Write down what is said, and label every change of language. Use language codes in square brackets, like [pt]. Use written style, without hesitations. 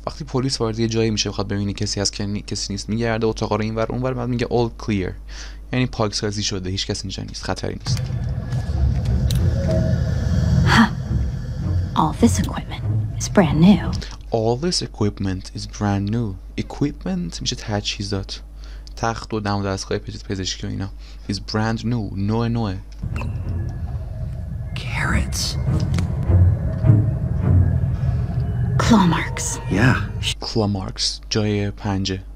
[fa] وقتی پلیس وارد یه جایی میشه بخواد ببینه کسی هست که کسی نیست، میگرده اتاق رو اینور اونور، بعد میگه [en] all clear. [fa] یعنی پاکسازی شده، هیچ کسی اینجا نیست، خطری نیست. [en] All this equipment is brand new. All this equipment is brand new. [fa] Equipment میشه تجهیزات، تخت و دم و دستگاه پزشکی و اینا. [en] Is brand new. [fa] نوه نوه. [en] Carrots. Claw marks. Yeah. Claw marks. [fa] جای پنجه.